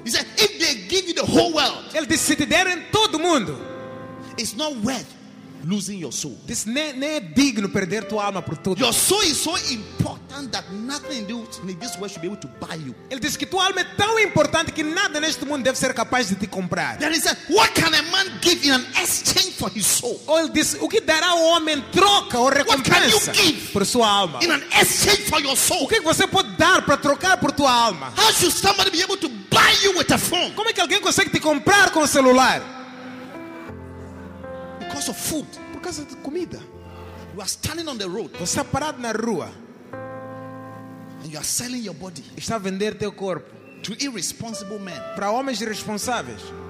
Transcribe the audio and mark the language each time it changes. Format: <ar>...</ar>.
<en>He said, if they give you the whole world,</en> <pt>ele disse, se te derem todo mundo,</pt> <en>it's not worth losing your soul.</en> <pt>This não é digno perder tua alma por tudo.</pt> <en>Your soul is so important that nothing in this world should be able to buy you.</en> <pt>Ele diz que tua alma é tão importante que nada neste mundo deve ser capaz de te comprar.</pt> <en>Then he said, what can a man give in an exchange for his soul?</en> <pt>Ou ele diz, o que dará o homem troca ou recompensa?</pt> <en>What can you give</en> <pt>por sua alma?</pt> <en>In an exchange for your soul.</en> <pt>O que você pode dar para trocar por tua alma?</pt> <en>How should somebody be able to buy you with a phone?</en> <pt>Como é que alguém consegue te comprar com um celular?</pt> <en>Because of food.</en> <pt>Por causa de comida.</pt> <en>You are standing on the road.</en> <pt>Você está parado na rua.</pt> <en>And you are selling your body.</en> <pt>Está vendendo teu corpo.</pt> <en>To irresponsible men.</en> <pt>Para homens irresponsáveis.</pt>